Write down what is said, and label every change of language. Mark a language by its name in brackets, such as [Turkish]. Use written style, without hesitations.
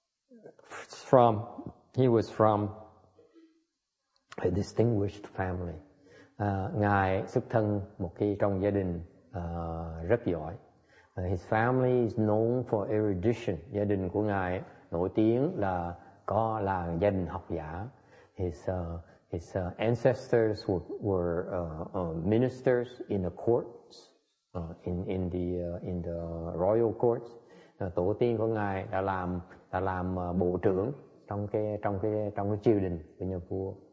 [English] He was from a distinguished family. [Vietnamese] Ngài xuất thân một cái trong gia đình rất giỏi. [English] His family is known for erudition. [Vietnamese] Gia đình của ngài nổi tiếng là gia đình học giả. [English] His ancestors were ministers in the courts in the royal courts. [Vietnamese] Tổ tiên của ngài đã làm bộ trưởng trong cái triều đình của nhà vua.